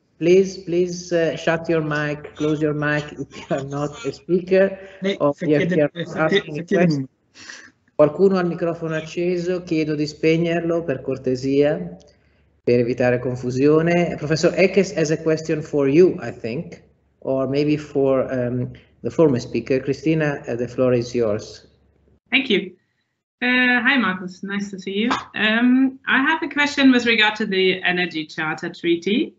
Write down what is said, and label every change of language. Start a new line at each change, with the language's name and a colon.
English: Please shut your mic, close your mic if you are not a speaker.
Italian: Qualcuno ha il microfono acceso, chiedo di spegnerlo per cortesia, per evitare confusione.
English: Professor Eckes has a question for you, I think, or maybe for the former speaker. Christina, the floor is yours. Thank you. Hi, Markus. Nice to see you. I have a question with regard to the Energy Charter Treaty.